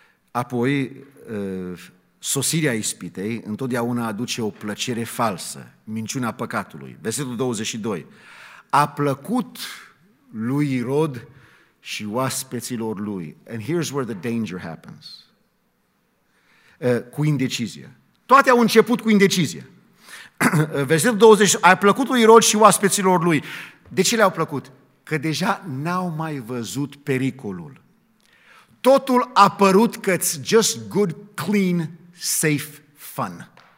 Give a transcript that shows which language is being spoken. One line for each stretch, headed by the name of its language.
Romanian: Apoi, sosirea ispitei întotdeauna aduce o plăcere falsă, minciunea păcatului. Versetul 22. A plăcut lui Irod și oaspeților lui.
English: And here's where the danger happens.
Romanian: Cu indecizia. Toate au început cu indecizia. Versetul 22. A plăcut lui Irod și oaspeților lui. De ce le-au plăcut? Că deja n-au mai văzut pericolul. Totul a părut că-ți
English: just good, clean, safe, fun.